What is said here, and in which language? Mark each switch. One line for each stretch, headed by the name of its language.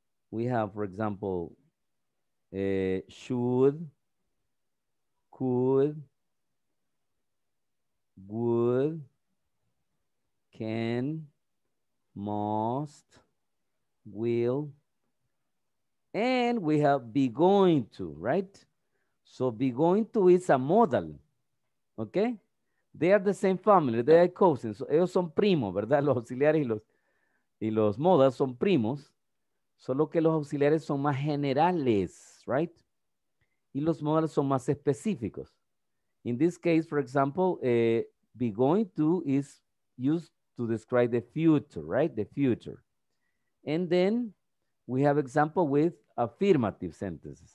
English: We have, for example, should, could, would, can, must, will, and we have be going to, right? So be going to is a modal, okay? They are the same family, they are cousins.
Spanish: So ellos son primos, ¿verdad? Los auxiliares y los modals son primos. Solo que los auxiliares son más generales, right? Y los modales son más específicos.
English: In this case, for example, be going to is used to describe the future, right? The future. And then we have example with affirmative sentences.